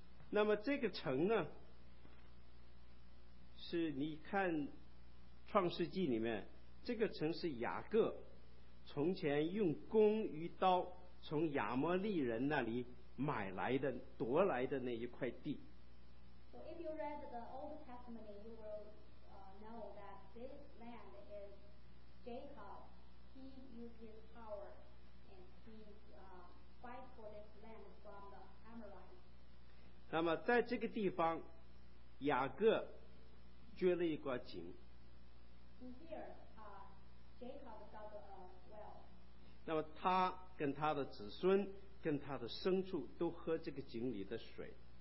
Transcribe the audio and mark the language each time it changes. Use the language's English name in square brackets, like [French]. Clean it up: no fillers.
[Chinese] 那么这个城呢，是你看创世纪里面，这个城是雅各从前用弓与刀从亚摩利人那里买来的夺来的那一块地。 [English] So if you read the Old Testament, you will know that this land is Jacob. He used his power and he fight for this land from the Amorites. [Chinese] 那么在这个地方，雅各掘了一块井。 [English] In here, Jacob dug a well. [Chinese] 那么他跟他的子孙，跟他的牲畜都喝这个井里的水。